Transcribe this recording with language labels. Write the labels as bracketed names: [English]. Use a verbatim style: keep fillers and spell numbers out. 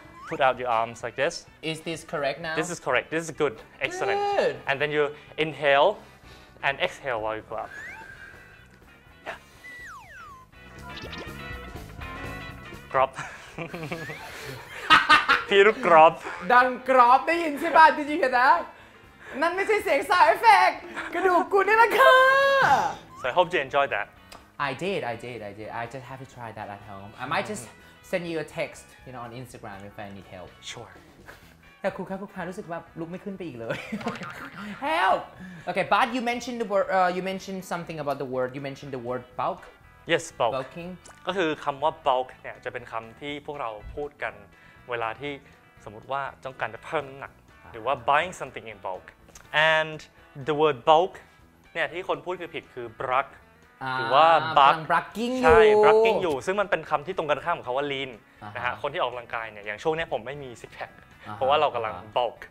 [English] put out your arms like this is this correct now this is correct this is good excellent Good. and then you inhale and exhale while you go up Yeah. [Thai] Crop พี่ลูกกรอบ ดังกรอบได้ยินใช่ป่ะจริงๆนะนั่นไม่ใช่เสียงสาวเอฟเฟกต์กระดูกกูนี่แหละค่ะ [English] so I hope you enjoy that I did, I did, I did. I just have to try that at home. I might just send you a text, you know, on Instagram if I need help. sure [Thai] แต่ครูคะครูคะรู้สึกว่าลุกไม่ขึ้นไปอีกเลย Help! [English] Okay, but you mentioned the word. Uh, you mentioned something about the word. You mentioned the word bulk, yes bulk bulking. [Thai] ก็คือคำว่า bulk เนี่ยจะเป็นคำที่พวกเราพูดกันเวลาที่สมมติว่าต้องการจะเพิ่มน้ำหนักหรือว่า [English] buying something in bulk and the word bulk [Thai] เนี่ยที่คนพูดคือผิดคือ bruk า หรือว่า buck กำลัง brucking อยู่ ใช่ brucking อยู่ซึ่งมันเป็นคำที่ตรงกันข้ามของคำว่า lean นะฮะคนที่ออกกำลังกายเนี่ยอย่างช่วงนี้ผมไม่มี six pack เพราะว่าเรากำลัง bulk